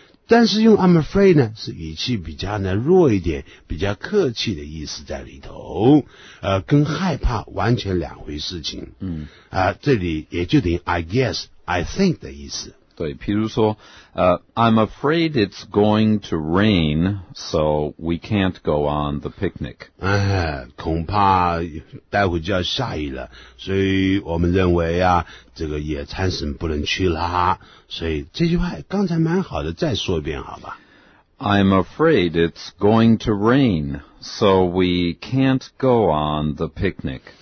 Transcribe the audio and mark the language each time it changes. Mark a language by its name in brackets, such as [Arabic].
[Chinese] 但是用 I'm afraid 呢是语气比较呢弱一点比较客气的意思在里头跟害怕完全两回事情这里也就等于 I guess, I think 的意思对譬如说 [English] I'm afraid it's going to rain so we can't go on the picnic [Chinese] 恐怕待会就要下雨了所以我们认为啊这个野餐是不能去啦所以这句话刚才蛮好的再说一遍好吧 [English] I'm afraid it's going to rain so we can't go on the picnic